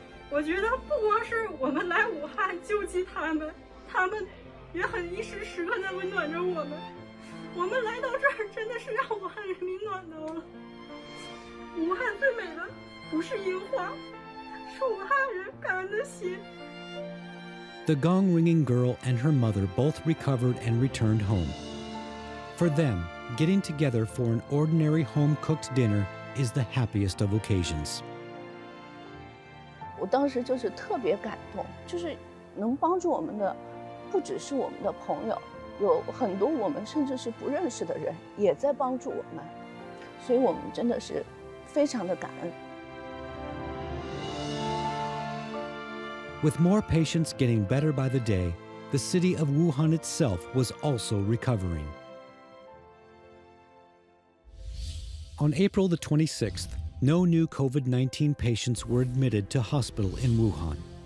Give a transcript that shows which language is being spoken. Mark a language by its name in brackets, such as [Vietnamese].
[Chinese] 我觉得不光是我们来武汉救济他们也很一时时刻在温暖着我们。我们来到这儿真的是让武汉人民暖的了。武汉最美的不是樱花，是武汉人感恩的心。 [English] The gong-ringing girl and her mother both recovered and returned home. For them, getting together for an ordinary home-cooked dinner is the happiest of occasions. [Chinese] 我当时就是特别感动，就是能帮助我们的不只是我们的朋友，有很多我们甚至是不认识的人也在帮助我们，所以我们真的是非常的感恩。 [English] With more patients getting better by the day, the city of Wuhan itself was also recovering. On April the 26th, no new COVID-19 patients were admitted to hospital in Wuhan.